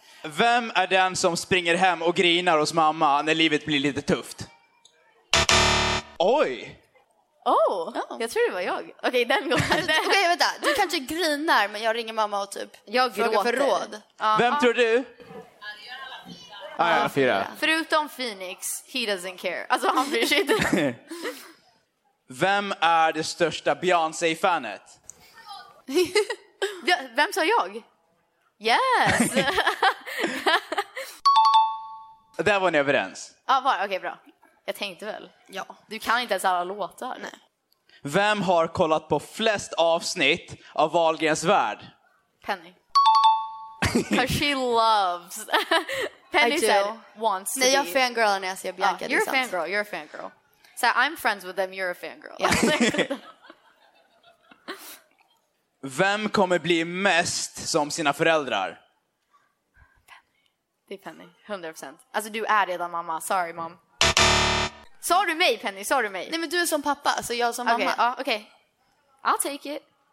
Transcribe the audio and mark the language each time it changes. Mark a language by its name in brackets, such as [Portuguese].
[Swedish] Vem är den som springer hem och grinar hos mamma när livet blir lite tufft? Oj! Oh, jag tror det var jag. Okej, okay, den gången. Okej, okay, vänta. Du kanske grinar, men jag ringer mamma och typ jag frågar gråter. För råd. Vem tror du? Ja, jag är alla fyra. Förutom [English] Phoenix, he doesn't care. [Swedish] Alltså, han bryr sig inte. Vem är det största Beyoncé-fanet? Vem sa jag? [English] Yes! [Swedish] Där var ni överens. Okej, bra. Jag tänkte väl. Ja. Du kan inte ens alla låtar. Nej. Vem har kollat på flest avsnitt av Wahlgrens värld? [English] Penny. Because she loves. Penny said, wants to [Swedish] Nej, jag är fangirl när jag ser Bianca. [English] Ah, you're a fangirl, you're a fangirl. So I'm friends with them, you're a fangirl. Yeah. [Swedish] Vem kommer bli mest som sina föräldrar? Penny. Det är Penny, 100%. Alltså du är redan mamma, [English] sorry mom. [Swedish] Sa du mig, Penny? Sa du mig? Nej, men du är som pappa, så jag som mamma. Okej. [English] I'll take it.